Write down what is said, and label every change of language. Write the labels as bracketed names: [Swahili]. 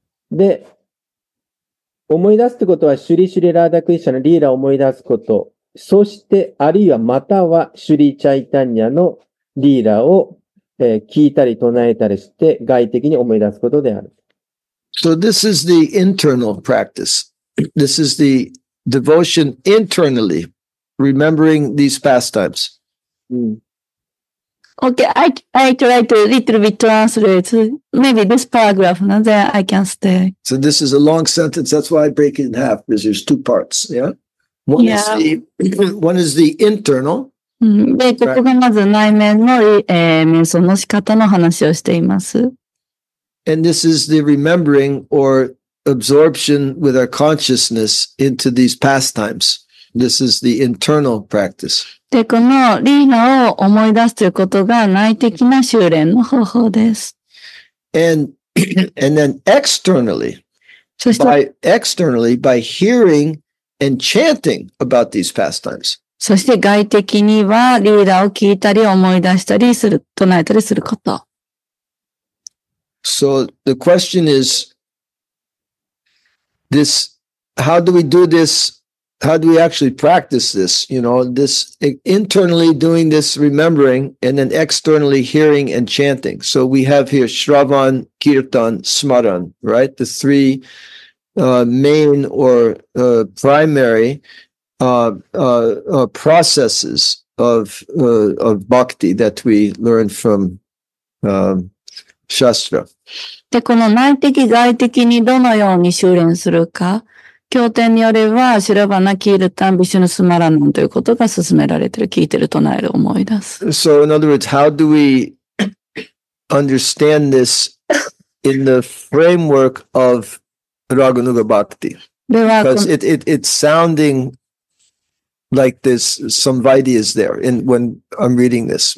[Japanese] で、思い出すってことは、シュリシュリラーダクリシャのリーラを思い出すこと。そして、あるいはまたは、シュリチャイタニアのリーラを、聞いたり唱えたりして、外的に思い出すことである。 [English] So this is the internal practice. This is the devotion internally, remembering these pastimes. Okay, I try to little bit translate. Maybe this paragraph, no, then I can stay. So this is a long sentence. That's why I break it in half, because there's two parts. Yeah? One is the internal. [Japanese] で、ここがまず内面の、瞑想の仕方の話をしています。 [English] And this is the remembering or absorption with our consciousness into these pastimes. This is the internal practice. [Japanese] で、このリーラを思い出すということが内的な修練の方法です。 [English] And then externally, by hearing and chanting about these pastimes. [Japanese] そして外的にはリーラを聞いたり思い出したりする、唱えたりすること。 [English] So the question is, this, how do we do this? How do we actually practice this? You know, this internally doing this remembering and then externally hearing and chanting. So we have here Shravan, Kirtan, Smaran, right? The three main or primary processes of bhakti that we learn from Shastra. [Japanese] で、この内的外的にどのように修練するか、経典によれば、シラバナ、キールタン、ビシュヌスマラナンということが進められている、聞いている、唱える、思い出す。 [English] So, in other words, how do we understand this in the framework of Raghunuga Bhakti? Because it's sounding like this, some Vaidhi is there in, when I'm reading this.